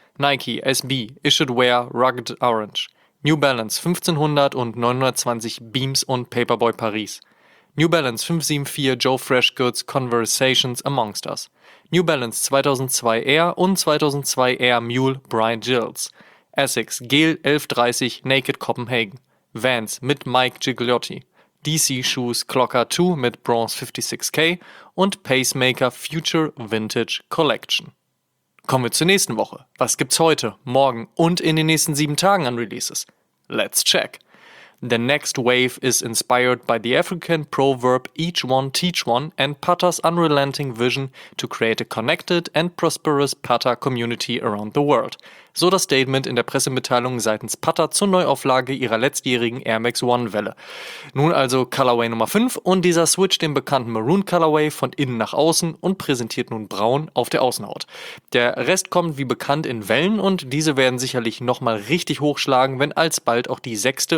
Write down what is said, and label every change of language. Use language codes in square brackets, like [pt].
[de] Nike SB Issued Wear Rugged Orange. New Balance 1500 und 920 Beams und Paperboy Paris. New Balance 574 Joe Fresh Goods Conversations Amongst Us. New Balance 2002 Air und 2002 Air Mule Brian Gilles. Essex Gel 1130 Naked Copenhagen. Vans mit Mike Gigliotti. DC Shoes Clocker 2 mit Bronze 56K und Pacemaker Future Vintage Collection. Kommen wir zur nächsten Woche. Was gibt's heute, morgen und in den nächsten 7 Tagen an Releases? [en] Let's check. The next wave is inspired by the African proverb Each One Teach One and Pata's unrelenting vision to create a connected and prosperous Pata community around the world. [de] So das Statement in der Pressemitteilung seitens Pata zur Neuauflage ihrer letztjährigen Air Max One Welle. Nun also Colorway Nummer 5 und dieser switcht den bekannten Maroon Colorway von innen nach außen und präsentiert nun Braun auf der Außenhaut. Der Rest kommt wie bekannt in Wellen und diese werden sicherlich nochmal richtig hochschlagen, wenn alsbald auch die 6.